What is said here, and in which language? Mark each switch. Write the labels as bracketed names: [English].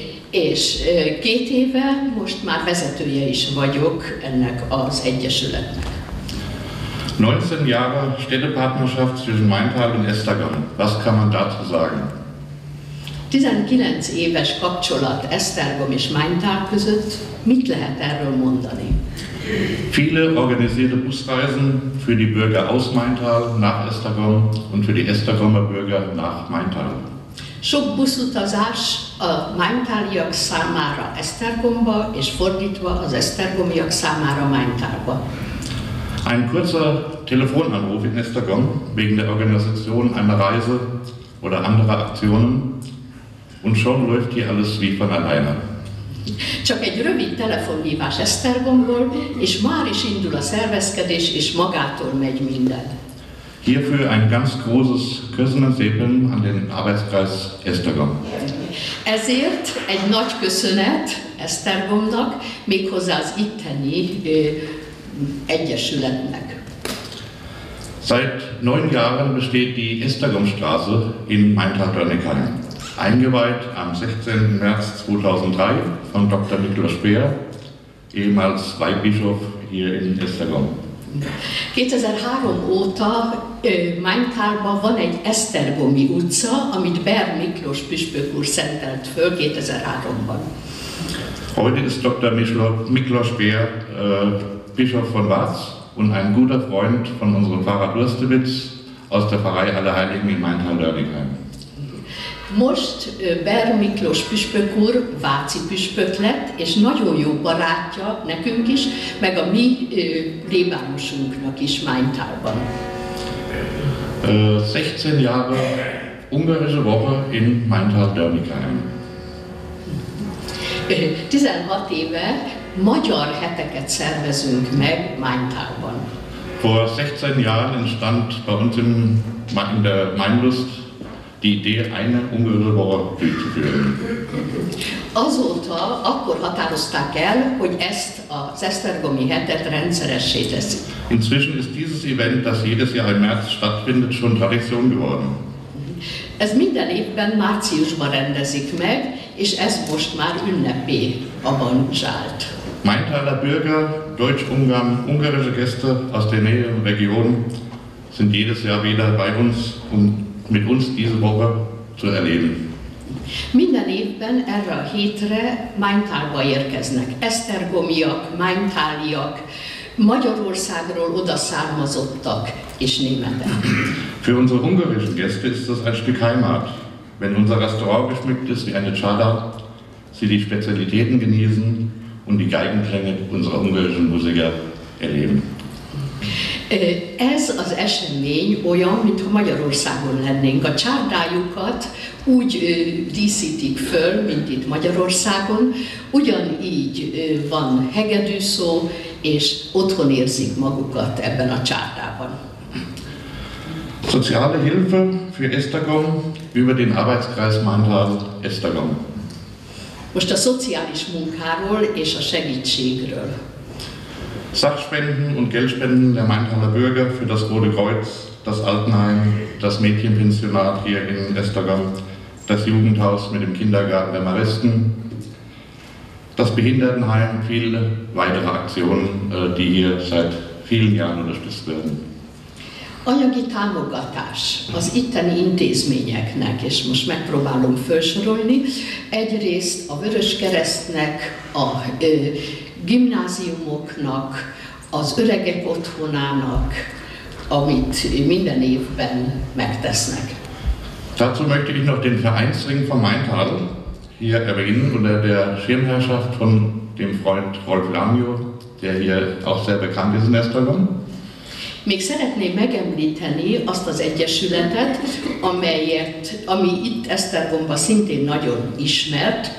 [Hungarian] És 2 éve most már vezetője is vagyok ennek az egyesületnek. [German] 19 Jahre Städtepartnerschaft zwischen Maintal und Esztergom. Was kann man dazu sagen? [Hungarian] 19 éves kapcsolat Esztergom és Maintal között. Mit lehet erről mondani? [German] Viele organisierte Busreisen für die Bürger aus Maintal nach Esztergom und für die Esztergomer Bürger nach Maintal. [Hungarian] Sok buszutazás a maintaliak számára Esztergomba és fordítva az esztergomiak számára Maintalba. [German] Ein kurzer Telefonanruf in Esztergom wegen der Organisation einer Reise oder anderer Aktionen und schon läuft hier alles wie von alleine. [Hungarian] Csak egy rövid telefonhívás Esztergomból, és már is indul a szervezkedés, és magától megy minden. [German] Hierfür ein ganz großes Küssen und Säbeln an den Arbeitskreis Esztergom. [Hungarian] Ezért egy nagy köszönet Esztergomnak, méghozzá az itteni egyesületnek. [German] Seit 9 Jahren besteht die Esztergomstraße in Main-Tatranikheim. Eingeweiht am 16. März 2003 von Dr. Niklas Speer, ehemals Weihbischof hier in Esztergom. [Hungarian] 2003 óta Maintalban van egy esztergomi utca, amit Bern Miklós püspök úr szentelt föl 2003-ban. [German] Heute ist Dr. Miklós Speer Bischof von Vác und ein guter Freund von unserem Pfarrer Durstewitz aus der Pfarrei Allerheiligen in Maintal-Dörlingheim. [Hungarian] Most Bern Miklós püspök úr váci püspök lett, és nagyon jó barátja nekünk is, meg a mi plébánosunknak is Maintalban. [German] 16 Jahre ungarische Woche in Maintal-Dörlingheim. [Hungarian] 16 éve magyar heteket szervezünk meg Maintalban. [German] Vor 16 Jahren entstand bei uns in der Mainlust die Idee, eine ungarische Woche durchzuführen. [Hungarian] Azóta akkor határozták el, hogy ezt az esztergomi hetet rendszeressé teszik. [German] Inzwischen ist dieses Event, das jedes Jahr im März stattfindet, schon Tradition geworden. [Hungarian] Ez minden évben márciusban rendezik meg, és ez most már ünnepé avancsált. [German] Maintaler Bürger, Deutsch-Ungarn, ungarische Gäste aus der Nähe und Region sind jedes Jahr wieder bei uns, um mit uns diese Woche zu erleben. [Hungarian] Minden évben erre a hétre Maintalba érkeznek esztergomiak, maintáliak, Magyarországról odaszármazottak és németek. [German] Für unsere ungarischen Gäste ist das ein Stück Heimat. Wenn unser Restaurant geschmückt ist wie eine Csada, sie die Spezialitäten genießen und die Geigenklänge unserer ungarischen Musiker erleben. [Hungarian] Ez az esemény olyan, mintha Magyarországon lennénk. A csárdájukat úgy díszítik föl, mint itt Magyarországon, ugyanígy van hegedűszó, és otthon érzik magukat ebben a csárdában. [German] Soziale Hilfe für Esztergom über den Arbeitskreis Maintal Esztergom. [Hungarian] Most a szociális munkáról és a segítségről. [German] Sachspenden und Geldspenden der Maintaler Bürger für das Rote Kreuz, das Altenheim, das Mädchenpensionat hier in Esztergom, das Jugendhaus mit dem Kindergarten der Maristen, das Behindertenheim, viele weitere Aktionen, die hier seit vielen Jahren unterstützt werden. [Hungarian] Anyagi támogatás az itteni intézményeknek, és most megpróbálom felsorolni, egyrészt a Vöröskeresztnek, a gimnáziumoknak, az öregek otthonának, amit minden évben megtesznek. [German] Dazu möchte ich noch den Vereinsring von Maintal hier erwähnen, unter der Schirmherrschaft von dem Freund Rolf Lamio, der hier auch sehr bekannt ist in Esztergom. [Hungarian] Még szeretném megemlíteni azt az egyesületet, ami itt Esztergomban szintén nagyon ismert.